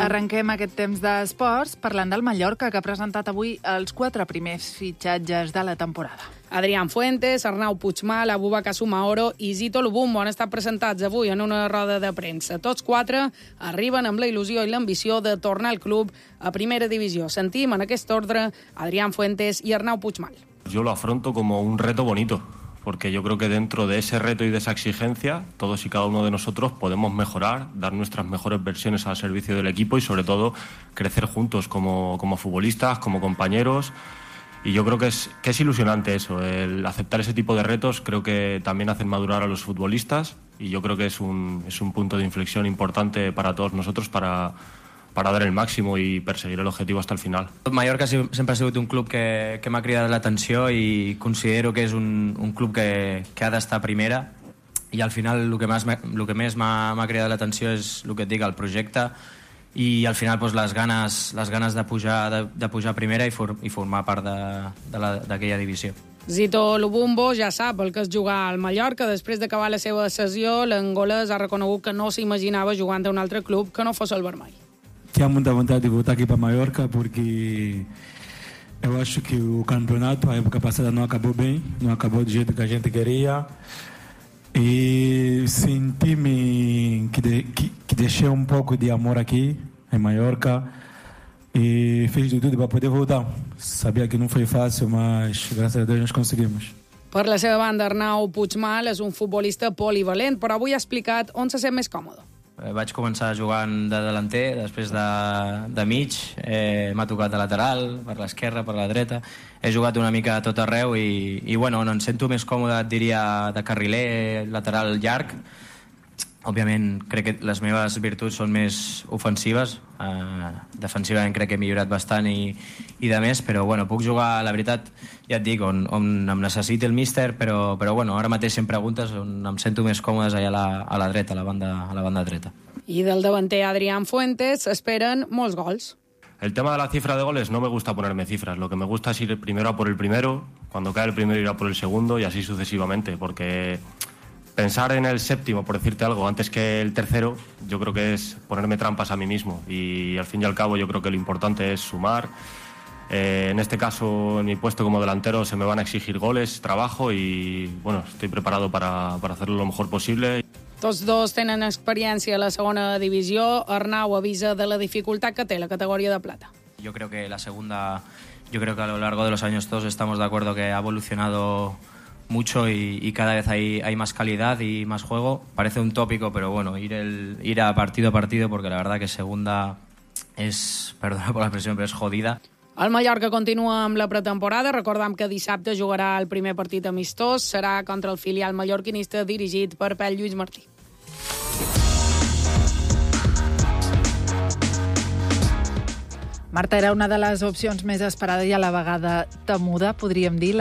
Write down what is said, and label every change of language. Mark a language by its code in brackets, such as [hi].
[ca] Arrenquem aquest temps d'esports parlant del Mallorca, que ha presentat avui els 4 primers fitxatges de la temporada. Adrián Fuentes, Arnau Puigmal, Abubakar Soumaoro i Zito Lubumbo han estat presentats avui en una roda de premsa. Tots 4 arriben amb la il·lusió i l'ambició de tornar al club a primera divisió. Sentim en aquest ordre Adrián Fuentes i Arnau Puigmal. [es] Yo lo afronto como un reto bonito, porque yo creo que dentro de ese reto y de esa exigencia, todos y cada uno de nosotros podemos mejorar, dar nuestras mejores versiones al servicio del equipo y sobre todo crecer juntos como futbolistas, como compañeros. Y yo creo que es ilusionante eso, el aceptar ese tipo de retos creo que también hacen madurar a los futbolistas y yo creo que es un punto de inflexión importante para todos nosotros para dar el máximo y perseguir el objetivo hasta el final. [ca] Mallorca sempre ha sigut un club que m'ha cridat l'atenció i considero que és un club que ha d'estar primera i al final el que més m'ha cridat l'atenció és el que et dic, el projecte i al final pues, les ganes de pujar primera i formar part d'aquella divisió. Zito Lubumbo ja sap el que és jugar al Mallorca. Després d'acabar la seva sessió, l'angolès ha reconegut que no s'imaginava jugant a un altre club que no fos el vermell. [pt] Tinha muita vontade de voltar aqui para Mallorca porque eu acho que o campeonato, a época passada, não acabou bem, não acabou do jeito que a gente queria. E senti-me que deixei um pouco de amor aqui em Mallorca e fiz de tudo para poder voltar. Sabia que não foi fácil, mas graças a Deus nós conseguimos. [ca] Per la seva banda, Arnau Puigmal és un futbolista polivalent, però avui ha explicat on se sent més còmode. Vaig començar jugant de delanter, després de mig, m'ha tocat de lateral, per l'esquerra, per la dreta, he jugat una mica a tot arreu i bueno, no em sento més còmode, et diria, de carriler, lateral llarg. Òbviament, crec que les meves virtuts són més ofensives, defensivament crec que he millorat bastant i de més, però bueno, puc jugar, la veritat, ja et dic, on em necessiti el míster, però bueno, ara mateix em preguntes on em sento més còmode allà a la dreta, a la banda dreta. I del davanter Adrián Fuentes esperen molts gols. [es] El tema de la cifra de goles no me gusta ponerme cifras, lo que me gusta es ir primero a por el primero, cuando cae el primero irá por el segundo y así sucesivamente, porque pensar en el séptimo, por decirte algo, antes que el tercero, yo creo que es ponerme trampas a mí mismo. Y al fin y al cabo yo creo que lo importante es sumar. En este caso, en mi puesto como delantero, se me van a exigir goles, trabajo y bueno, estoy preparado para hacerlo lo mejor posible. [ca] Tots dos tenen experiència a la segona divisió. Arnau avisa de la dificultat que té la categoria de plata. [es] Yo creo que la segunda yo creo que a lo largo de los años todos estamos de acuerdo que ha evolucionado mucho y cada vez hay más calidad y más juego. Parece un tópico, pero bueno, ir a partido a partido, porque la verdad que segunda es, perdona por la expresión, pero es jodida. [ca] El Mallorca continua amb la pretemporada. Recordem que dissabte jugarà el primer partit amistós. Serà contra el filial mallorquinista dirigit per Pep Lluís Martí. Marta, era una de les opcions més esperades i a la vegada temuda, podríem dir.